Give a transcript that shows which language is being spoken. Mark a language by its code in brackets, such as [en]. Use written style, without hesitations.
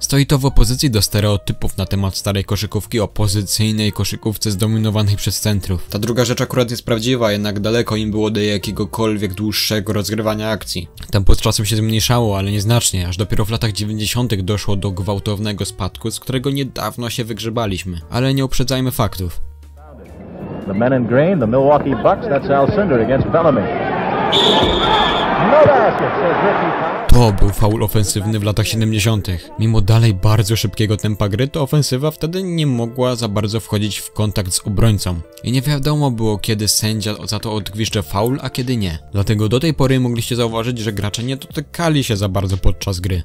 [pl] Stoi to w opozycji do stereotypów na temat starej koszykówki, opozycyjnej koszykówce zdominowanej przez centrów. Ta druga rzecz akurat jest prawdziwa, jednak daleko im było do jakiegokolwiek dłuższego rozgrywania akcji. Tempo z czasem się zmniejszało, ale nieznacznie, aż dopiero w latach 90. doszło do gwałtownego spadku, z którego niedawno się wygrzebaliśmy, ale nie uprzedzajmy faktów. [en] The men in green, the Milwaukee Bucks, that's Al Cinder against Bellamy. No basket, says Ricky. [pl] To był faul ofensywny w latach 70. Mimo dalej bardzo szybkiego tempa gry, to ofensywa wtedy nie mogła za bardzo wchodzić w kontakt z obrońcą. I nie wiadomo było, kiedy sędzia za to odgwiszcze faul, a kiedy nie. Dlatego do tej pory mogliście zauważyć, że gracze nie dotykali się za bardzo podczas gry.